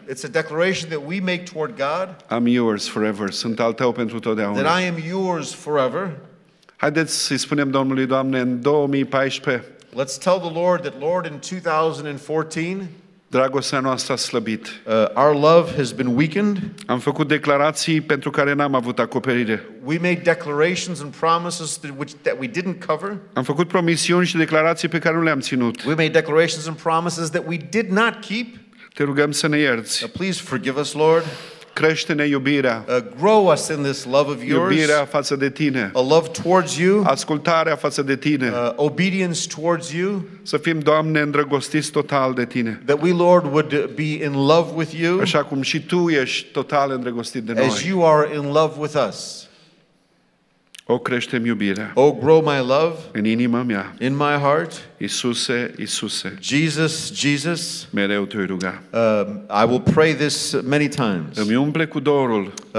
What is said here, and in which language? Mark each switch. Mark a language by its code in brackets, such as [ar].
[en] It's a declaration that we make toward God. I'm yours forever. [ro] Sunt al tău pentru totdeauna. [en] That I am yours forever. [ro] Haideți să spunem Domnului, Doamne, în 2014. [en] Let's tell the Lord that Lord in 2014. [ro] Dragostea noastră a slăbit. [en] Our love has been weakened. [ro] Am făcut declarații pentru care n-am avut acoperire. [en] We made declarations and promises that we didn't cover. [ro] Am făcut promisiuni și declarații pe care nu le-am ținut. [en] We made declarations and promises that we did not keep. [ro] Te rugăm să ne ierți. [en] Please forgive us, Lord. [ro] Crește-ne iubirea. [en] Grow us in this love of yours. [ro] Iubirea față de tine. [en] A love towards you. [ro] Ascultarea față de tine. [en] Obedience towards you. [ro] Să fim, Doamne, îndrăgostiți total de tine. [en] That we, Lord, would be in love with you. [ro] Așa cum și tu ești total îndrăgostit de noi. [en] As you are in love with us. [ro] O crește-mi iubirea. [en] O grow my love. [ro] În inima mea. [en] In my heart. [ro] Iisuse, Iisuse. [en] Jesus, Jesus. [ro] Mereu te-o ruga. [en] I will pray this many times. [ro] Îmi umple cu dorul.